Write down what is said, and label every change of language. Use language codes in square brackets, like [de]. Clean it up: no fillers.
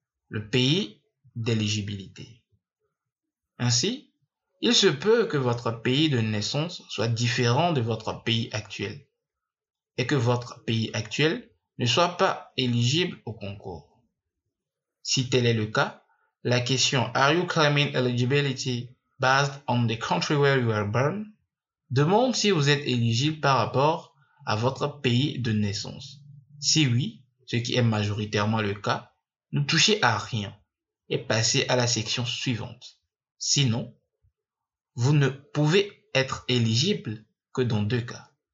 [fr] Le pays d'éligibilité. Ainsi, il se peut que votre pays de naissance soit différent de votre pays actuel et que votre pays actuel ne soit pas éligible au concours. Si tel est le cas, la question [en] Are you claiming eligibility based on the country where you were born? [fr] demande si vous êtes éligible par rapport à votre pays de naissance. Si oui, ce qui est majoritairement le cas, ne touchez à rien et passez à la section suivante. Sinon, vous ne pouvez être éligible que dans deux cas.